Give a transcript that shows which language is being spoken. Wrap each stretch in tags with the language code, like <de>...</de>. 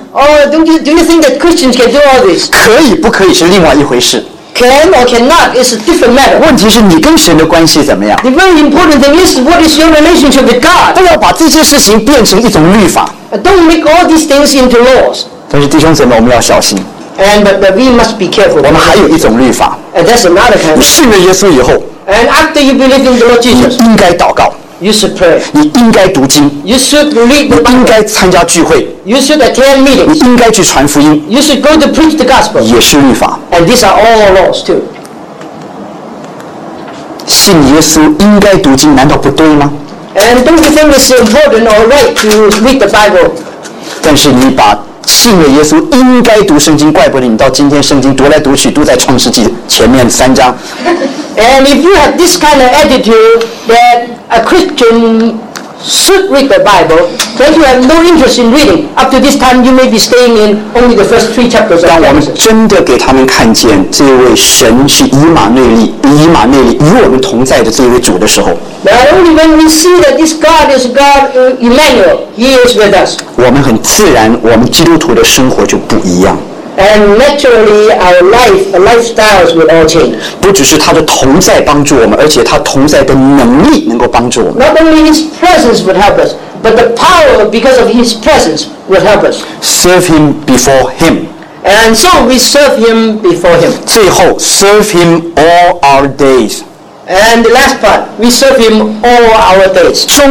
<en>？Oh, do you think that Christians can do all this?</en> <zh>可以不可以是另外一回事。</zh> <en>Can or cannot is a different matter.</en> <zh>问题是你跟神的关系怎么样</zh> <en>？The very important thing is what is your relationship with God.</en> <zh>不要把这些事情变成一种律法。</zh> <en>Don't make all these things into laws.</en> <zh>但是弟兄姊妹，我们要小心。</zh> <en>And but we must be careful.</en> <zh>我们还有一种律法。</zh> <en>And that's another kind.</en> <zh>你信了耶稣以后。</zh> <en>And after you believe in the Lord Jesus,</en> <zh>你应该祷告。</zh> <en>You should pray.</en> <zh>你应该读经。</zh> <en>You should read the Bible.</en> <zh>你应该参加聚会。</zh> <en>You should attend meetings.</en> <zh>你应该去传福音。</zh> <en>You should go to preach the gospel.</en> <zh>也是律法。</zh> <en>And these are all laws too.</en> <zh>信耶稣应该读经，难道不对吗</zh> <en>？And don't you think it's important or right to read the Bible?</en> <zh>但是你把信了耶稣应该读圣经，怪不得你到今天圣经读来读去都在创世纪前面三章。</zh> <en>And if you have this kind of attitude that a Christian should read the Bible, then you have no interest in reading. Up to this time, you may be staying in only the first three chapters.</en> <zh>当我们真的给他们看见这位神是以马内利与我们同在的这位主的时候</zh> <en>，But only when we see that this God is God Emmanuel, He is with us.</en> <zh>我们很自然，我们基督徒的生活就不一样。</zh> <en>And naturally, our life, our lifestyles will all change.</en> <zh>不只是他的同在帮助我们，而且他同在的能力能够帮助我们。</zh> <en>Not only his presence would help us, but the power because of his presence would help us. Serve him before him. And so we serve him before him.</en> <zh>最后</zh> <en>serve him all our days. And the last part, we serve him all our days.</en>